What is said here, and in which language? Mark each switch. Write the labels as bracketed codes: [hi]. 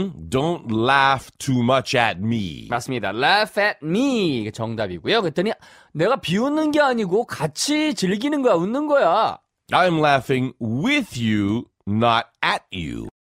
[en] Don't laugh too much at me. [ko] 맞습니다. [en] Laugh at me [ko] 이게 정답이고요. 그랬더니 내가 비웃는 게 아니고 같이 즐기는 거야 웃는 거야. [en] I'm laughing with you, not at you.